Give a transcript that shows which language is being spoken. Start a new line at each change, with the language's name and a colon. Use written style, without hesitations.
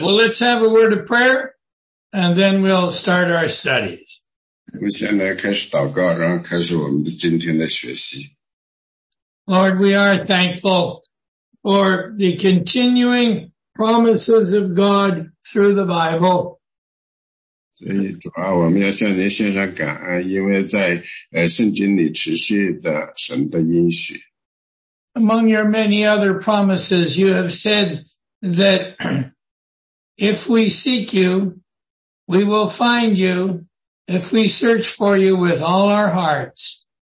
English: Well, let's have a word of prayer, and then we'll start our studies.
Chinese: 我们现在开始祷告，然后开始我们的今天的学习。
English: Lord, we are thankful for the continuing promises of God through the Bible.
Chinese: 所以主啊，我们要向您献上感恩，因为在圣经里持续的神的应许。
English: Among your many other promises, you have said that if we seek you, we will find you, if we search for you with all our hearts.